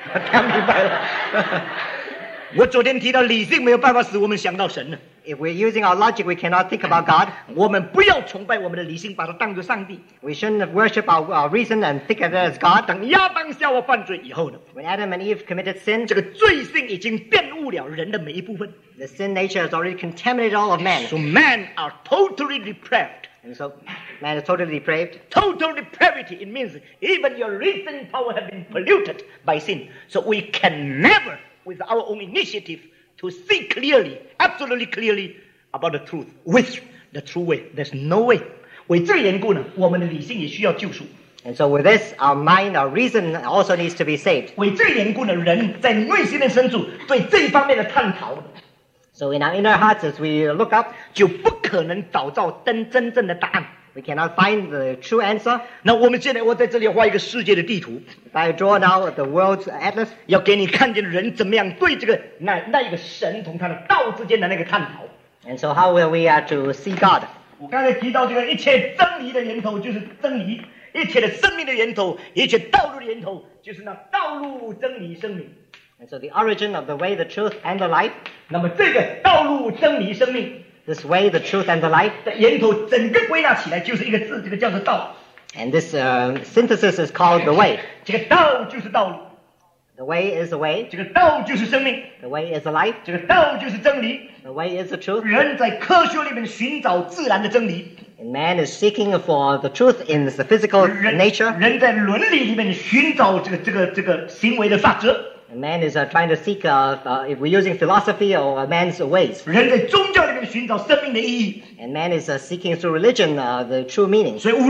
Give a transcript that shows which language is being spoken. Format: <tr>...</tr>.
<zh>他明白了。我昨天提到理性没有办法使我们想到神呢。If</zh> <en>we're using our logic, we cannot think about God.</en> <zh>我们不要崇拜我们的理性，把它当作上帝。We</zh> <en>shouldn't worship our reason and think of it as God.</en> <zh>等亚当夏娃犯罪以后呢？When</zh> <en>Adam and Eve committed sin,</en> <zh>这个罪性已经玷污了人的每一部分。The</zh> <en>sin nature has already contaminated all of man. So men are totally depraved. And so, man is totally depraved. Total depravity, it means even your reason power has been polluted by sin. So we can never, with our own initiative, to see clearly, absolutely clearly, about the truth. With the true way, there's no way.</en> <zh>为这缘故呢，我们的理性也需要救赎。</zh> <en>And so with this, our mind, our reason also needs to be saved.</en> <zh>为这缘故呢，人在内心的深处对这一方面的探讨。</zh> <en>So in our inner hearts, as we look up,</en> <zh>就不可能找到真正的答案。We</zh> <en>cannot find the true answer.</en> <zh>那我们现在我在这里画一个世界的地图。If</zh> <en>I draw now the world's atlas,</en> <zh>要给你看见人怎么样对这个那一个神同他的道之间的那个探讨。And</zh> <en>so how will we have to see God?</en> <zh>我刚才提到这个一切真理的源头就是真理，一切的生命的源头，一切道路的源头就是那道路真理生命。</zh> <en>And so the origin of the way, the truth, and the life.</en> <zh>那么这个道路真理生命,</zh> <en>this way, the truth, and the life.</en> <zh>的源头整个归纳起来就是一个字，这个叫做道。</zh> <en>And this synthesis is called the way.</en> <zh>这个道就是道路。</zh> <en>The way is the way.</en> <zh>这个道就是生命。</zh> <en>The way is the life.</en> <zh>这个道就是真理。</zh> <en>The way is the truth.</en> <zh>人在科学里面寻找自然的真理。</zh> <en>And man is seeking for the truth in the physical nature.</en> <zh>人在伦理里面寻找这个行为的法则。</zh> <en>Man is trying to seek, if we're using philosophy or man's ways. And man is seeking through religion the true meaning.</en>